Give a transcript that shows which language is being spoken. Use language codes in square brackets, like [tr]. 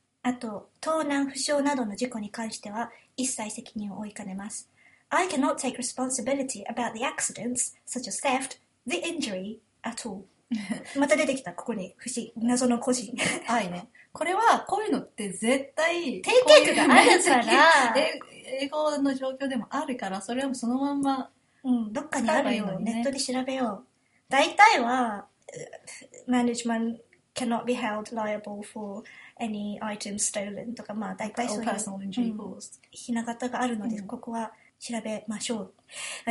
[ja] あと、盗難負傷などの事故に関しては一切責任を負いかねます。 [en] I cannot take responsibility about the accidents, such as theft, the injury at all. [ja] また出てきた、ここに、不思議、謎の個人。はいね。これは、こういうのって絶対、テイクアウトがあるから、英語の状況でもあるから、それはもうそのまんま、どっかにあるよ、ネットで調べよう。大体は、 [en] management cannot be held liable for any item stolen [ja] とか、まあ大体そういう、ひな形があるので、ここは調べましょう。